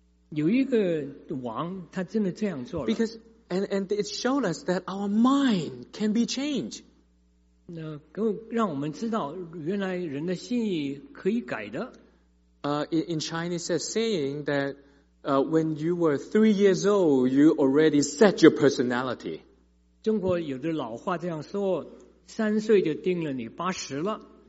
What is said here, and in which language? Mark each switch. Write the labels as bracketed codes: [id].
[zh] 有一个王，他真的这样做了。 [en] Because it showed us that our mind can be changed. [zh] 让我们知道原来人的心意可以改的。 [en] In Chinese, it's saying that when you were 3 years old, you already set your personality. [zh] 中国有的老话这样说，三岁就定了你八十了。